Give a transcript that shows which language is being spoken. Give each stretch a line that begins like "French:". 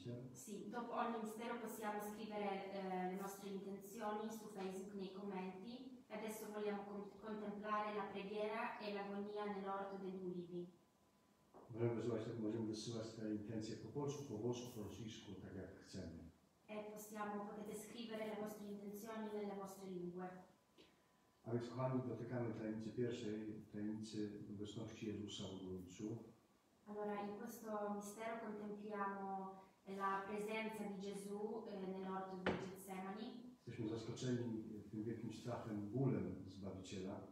Italian: Sì, dopo ogni mistero possiamo scrivere le nostre intenzioni su Facebook nei commenti. Adesso vogliamo contemplare la preghiera e l'agonia nell'orto degli ulivi. Vogliamo scrivere le intenzioni
Polish: po polsku, po włosku, po rosyjsku, tak jak chcemy.
Italian: E potete scrivere le vostre intenzioni nelle vostre lingue.
Polish: A więc kochani, dotykamy tajemnicy pierwszej, tajemnicy obecności Jezusa w Ojcu.
Italian: Allora, in questo mistero contempliamo la presenza di Gesù nell'orto di Getsemani.
Polish: Jesteśmy zaskoczeni tym wielkim strachem, bólem Zbawiciela.